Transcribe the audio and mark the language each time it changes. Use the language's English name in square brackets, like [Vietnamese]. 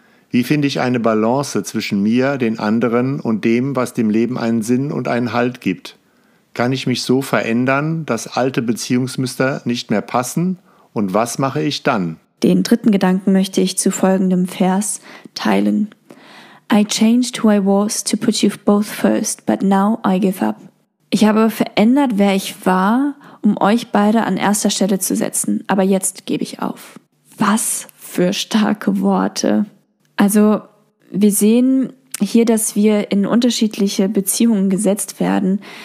[German] Wie finde ich eine Balance zwischen mir, den anderen und dem, was dem Leben einen Sinn und einen Halt gibt? Kann ich mich so verändern, dass alte Beziehungsmuster nicht mehr passen? Und was mache ich dann? Den dritten Gedanken möchte ich zu folgendem Vers teilen. [English] I changed who I was to put you both first, but now I give up. [German] Ich habe verändert, wer ich war, um euch beide an erster Stelle zu setzen. Aber jetzt gebe ich auf. Was für starke Worte. Also wir sehen hier, dass wir in unterschiedliche Beziehungen gesetzt werden.